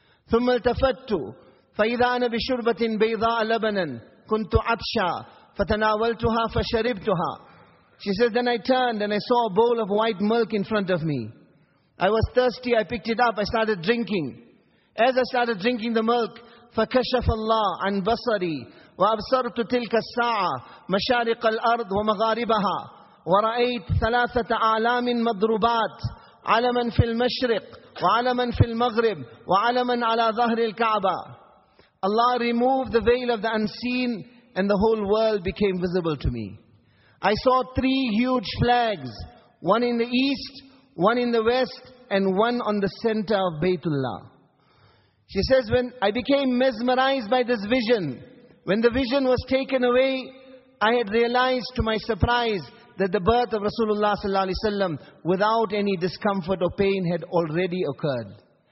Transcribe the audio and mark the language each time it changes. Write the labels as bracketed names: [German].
[Arabic] ثُمَّ الْتَفَتْتُ فَإِذَا أَنَا بِشُرْبَةٍ بَيْضَاءَ لَبَنًا كُنْتُ عَطْشَى فَتَنَاوَلْتُهَا فَشَرِبْتُهَا. [English] She says, then I turned and I saw a bowl of white milk in front of me. I was thirsty, I picked it up, I started drinking. As I started drinking the milk, [Arabic] فَكَشَفَ اللَّهُ عَنْ بَصَرِي وَأَبْصَرْتُ تِلْكَ السَّاعَةَ مَشَارِقَ الْأَرْضِ وَمَغَارِبَهَا وَرَأَيْتْ ثَلَاثَةَ أَعْلَامٍ مَضْرُوبَاتٍ عَلَمًا فِي الْمَشْرِقِ وَعَلَمًا فِي الْمَغْرِبِ وَعَلَمًا عَلَىٰ ظَهْرِ الْكَعْبَةِ. [English] Allah removed the veil of the unseen and the whole world became visible to me. I saw three huge flags, one in the east, one in the west, and one on the center of Baytullah. She says, when I became mesmerized by this vision, when the vision was taken away, I had realized to my surprise that the birth of Rasulullah sallallahu alaihi wasallam without any discomfort or pain had already occurred.